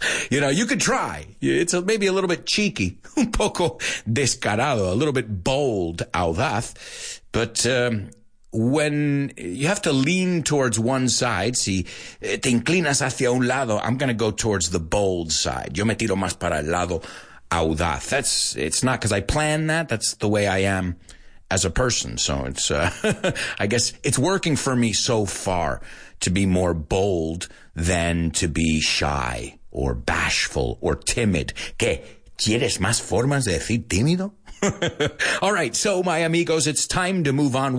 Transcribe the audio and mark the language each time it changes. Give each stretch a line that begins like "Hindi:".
English: You know, you could try. It's maybe a little bit cheeky,
Spanish: un poco descarado,
English: a little bit bold, audaz. But when you have to lean towards one side,
Spanish: si te inclinas hacia un lado,
English: I'm going to go towards the bold side.
Spanish: Yo me tiro más para el lado audaz.
English: It's not because I plan that. That's the way I am as a person. So it's, I guess it's working for me so far to be more bold than to be shy or bashful or timid. ¿Qué?
Spanish: ¿Quieres más formas de decir tímido?
English: All right, so my amigos, it's time to move on.